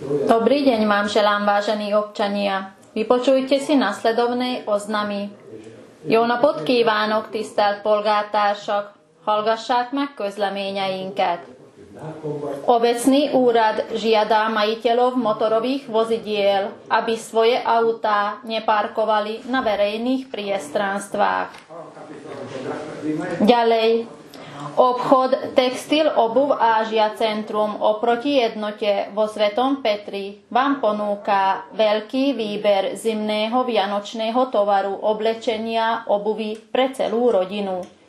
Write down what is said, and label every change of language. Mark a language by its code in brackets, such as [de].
[sk] Dobrý deň vám želám, vážení občania. Vypočujte si nasledovné oznamy. [hu] Jó napot kívánok, tisztelt polgártársak! Hallgassák meg közleményeinket! [sk] Obecný úrad žiadá majiteľov motorových vozidiel, aby svoje autá neparkovali na verejných priestranstvách. Ďalej. Obchod Textil Obuv Ázia Centrum oproti jednote vo Svetom Petri vám ponúka veľký výber zimného vianočného tovaru oblečenia obuvy pre celú rodinu.